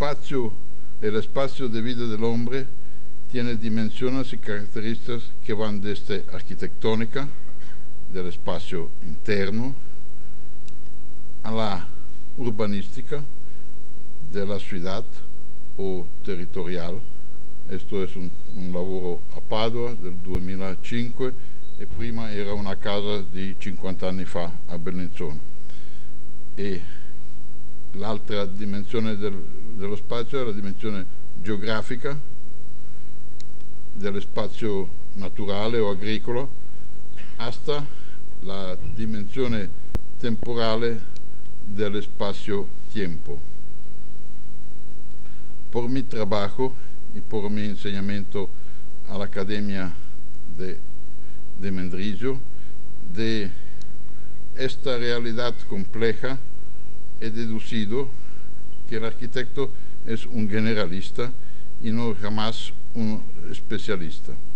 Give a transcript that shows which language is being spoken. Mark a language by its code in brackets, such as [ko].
[es] El espacio de vida del hombre tiene dimensiones y características que van desde arquitectónica, del espacio interno, a la urbanística de la ciudad o territorial. Esto es [it] un lavoro a Padua del 2005 e prima era una casa di 50 anni fa a Bellinzona. E l'altra dimensione dello spazio è la dimensione geografica dello spazio naturale o agricolo, [es] hasta [it] la dimensione temporale dello spazio-tempo. [es] Por mi trabajo y por mi enseñamiento a la Academia de Mendrisio, de esta realidad compleja he deducido que el arquitecto es un generalista y no jamás un especialista.